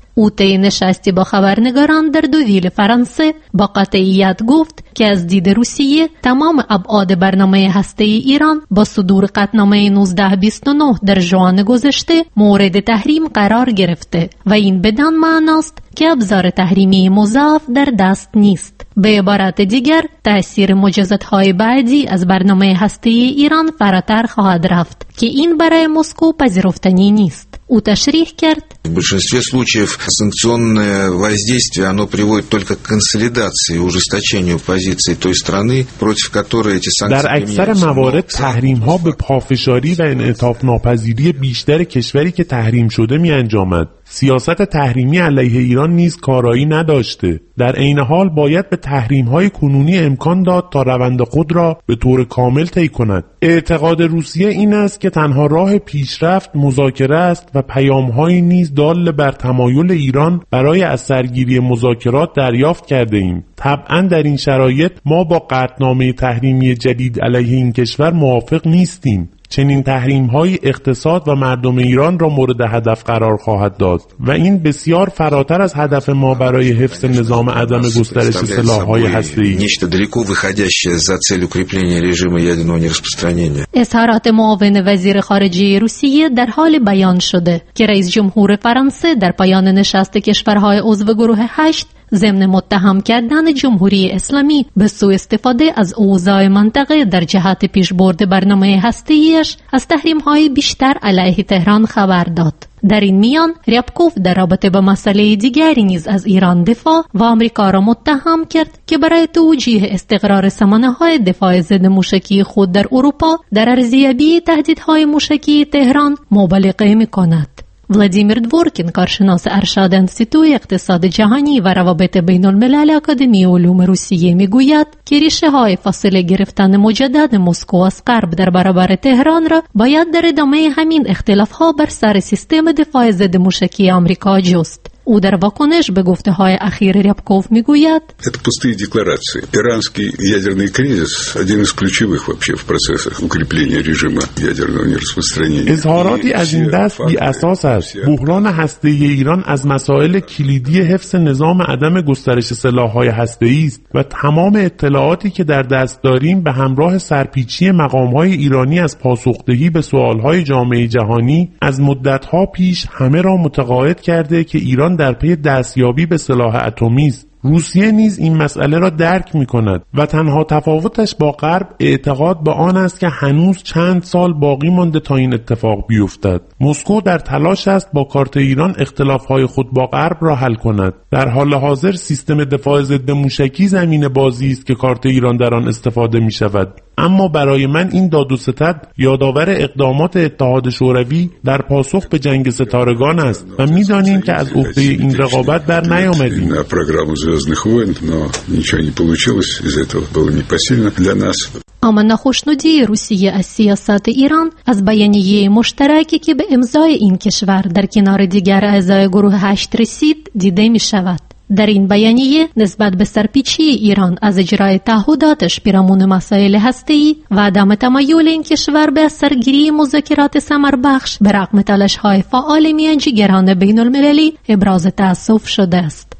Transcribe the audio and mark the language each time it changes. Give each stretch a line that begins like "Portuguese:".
Persian: او طی نشستی با خبرنگاران در دوویل فرانسه با قطعیت گفت که از دید روسیه تمام ابعاد برنامه هسته ای ایران با صدور قطعنامه 1929 در جوان گذشته مورد تحریم قرار گرفته و این بدان معناست که ابزار تحریمی مضاف در دست نیست. به عبارت دیگر، تأثیر مجازات‌های بعدی از برنامه هسته ای ایران فراتر خواهد رفت که این برای مسکو پذیرفتنی نیست. У тошрих керт.
Russian: В большинстве случаев санкционное воздействие, оно приводит только к консолидации, ужесточению позиции той страны, против которой эти санкции.
Persian: در اکثر موارد تحریم‌ها به پافشاری و انعطاف‌ناپذیری بیشتر کشوری که تحریم شده می‌انجامد. سیاست تحریمی علیه ایران نیز کارایی نداشته. در این حال باید به تحریم‌های کنونی امکان داد تا روند خود را به طور کامل طی کند. اعتقاد روسیه این است که تنها راه پیشرفت مذاکره است و پیام‌های نیز دال بر تمایل ایران برای از سرگیری مذاکرات دریافت کرده ایم. طبعاً در این شرایط ما با قطعنامه تحریمی جدید علیه این کشور موافق نیستیم. چنین تحریم‌های اقتصاد و مردم ایران را مورد هدف قرار خواهد داد و این بسیار فراتر از هدف ما برای حفظ نظام عدم گسترش سلاح‌های هسته‌ای.
Russian: نیشته далеко выходящее за цель укрепления режима ядерного нераспространения.
Persian: اظهارات معاون وزیر خارجه روسیه در حال بیان شده که رئیس جمهور فرانسه در پایان نشست کشورهای عضو گروه 8 ضمن متهم کردن جمهوری اسلامی به سوء استفاده از اوضاع منطقه در جهت پیشبرد برنامه هسته‌ایش از تحریم‌های بیشتر علیه تهران خبر داد. در این میان ریبکوف در رابطه با مسئله دیگری نیز از ایران دفاع و آمریکا را متهم کرد که برای توجیه استقرار سامانه‌های دفاع ضد موشکی خود در اروپا در ارزیابی تهدیدهای موشکی تهران مبالغه می‌کند. ولادیمیر دورکین، کارشناس ارشد انستیتوی اقتصاد جهانی و روابط بین الملل اکادمی علوم روسیه، میگوید که ریشه های فاصله گرفتن مجدد مسکو از غرب در برابر تهران را باید در ادامه همین اختلاف ها بر سر سیستم دفاع ضد موشکی آمریکا جست. او در واکنش به گفته های اخیر ریبکوف میگوید
Russian: это пустые декларации. Иранский ядерный кризис один из ключевых вообще в процессах укрепления режима ядерного нераспространения.
Persian: اظهاراتی از این دست بی اساس است. بحران هسته‌ای ایران از مسائل کلیدی حفظ نظام عدم گسترش سلاح‌های هسته‌ای است و تمام اطلاعاتی که در دست داریم به همراه سرپیچی مقام‌های ایرانی از پاسخ‌دهی به سوال‌های جامعه جهانی از مدت‌ها پیش همه را متقاعد کرده که ایران در پی دستیابی به سلاح اتمی است. روسیه نیز این مسئله را درک می‌کند و تنها تفاوتش با غرب اعتقاد به آن است که هنوز چند سال باقی مانده تا این اتفاق بیفتد. مسکو در تلاش است با کارت ایران اختلاف‌های خود با غرب را حل کند. در حال حاضر سیستم دفاع ضد موشکی زمین بازی است که کارت ایران در آن استفاده می‌شود. اما برای من این داد و ستد یادآور اقدامات اتحاد شوروی در پاسخ به جنگ ستارگان است و می‌دانیم که از عهده این رقابت بر نیامدیم.
Russian: Звездных войн, но ничего не получилось, из-за этого было непосильно для нас.
Persian: اما نخوشنودی روسیه از سیاست ایران از بیانیه مشترکی که به امضای این کشور در کنار دیگر اعضای گروه 8 رسید دیده می شود. در این بیانیه نسبت به سرپیچی ایران از اجرای تعهداتش پیرامون مسائل هسته‌ای و عدم تمایل این کشور به سرگیری مذاکرات ثمربخش به رغم تلاش‌های فعال میانجیگران بین المللی ابراز تأسف شده است.